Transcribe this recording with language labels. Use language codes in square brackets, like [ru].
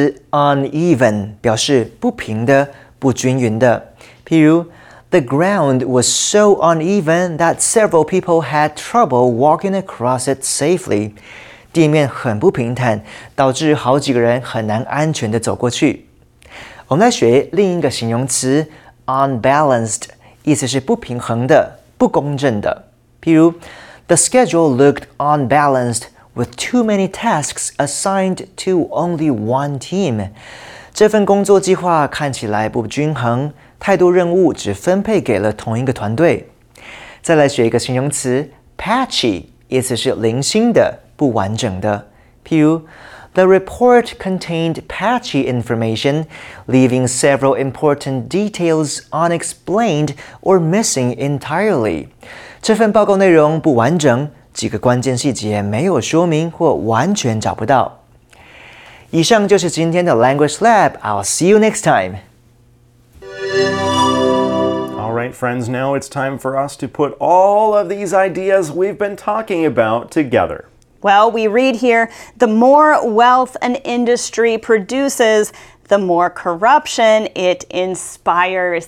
[zh] Uneven 表示不平的、不均匀的。譬如 [en] ，The ground was so uneven that several people had trouble walking across it safely. [zh] 地面很不平坦，导致好几个人很难安全地走过去。我们来学另一个形容词 ，unbalanced， 意思是不平衡的、不公正的。譬如 [en] ，The schedule looked unbalanced. With too many tasks assigned to only one team. [zh] 这份工作计划看起来不均衡，太多任务只分配给了同一个团队。再来学一个形容词 patchy, 意思是零星的、不完整的。譬如 [en] The report contained patchy information, leaving several important details unexplained or missing entirely. [zh] 这份报告内容不完整，几个关键细节没有说明或完全找不到。以上就是今天的 Language Lab. [en] I'll see you next time. All right, friends, now it's time for us to put all of these ideas we've been talking about together. Well, we read here, the more wealth an industry produces, the more corruption it inspires.